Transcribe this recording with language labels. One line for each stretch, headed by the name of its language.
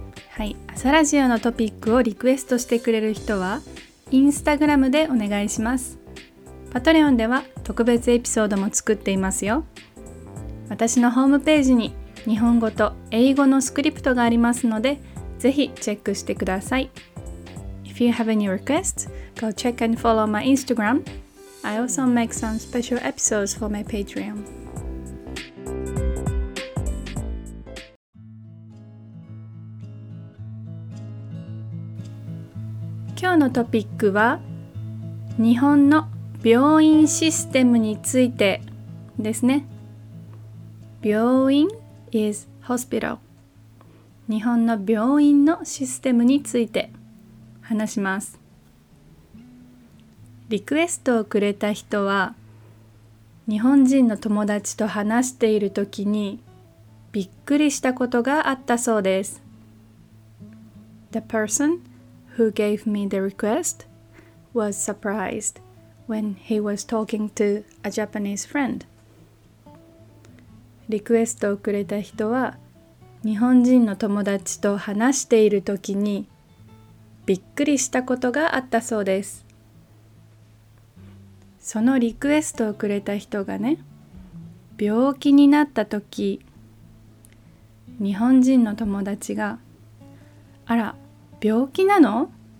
Japanese: はい、朝ラジオのトピックをリクエストしてくれる人はインスタグラムでお願いします。パトレオンでは特別エピソードも作っていますよ。私のホームページに日本語と英語のスクリプトがありますので、ぜひチェックしてください。
English: If you have any requests, go check and follow my Instagram. I also make some special episodes for my Patreon.
Japanese: のトピックは日本の病院システムについてですね。
English: 病院 is hospital。
Japanese: 日本の病院のシステムについて話します。リクエストをくれた人は日本人の友達と話している時にびっくりしたことがあったそうです。
English: The personwho gave me the request was surprised when he was talking to a Japanese friend.
Japanese: リクエストをくれた人は日本人の友達と話しているときにびっくりしたことがあったそうです。そのリクエストをくれた人がね、病気になったとき、日本人の友達が、あら、病気なの？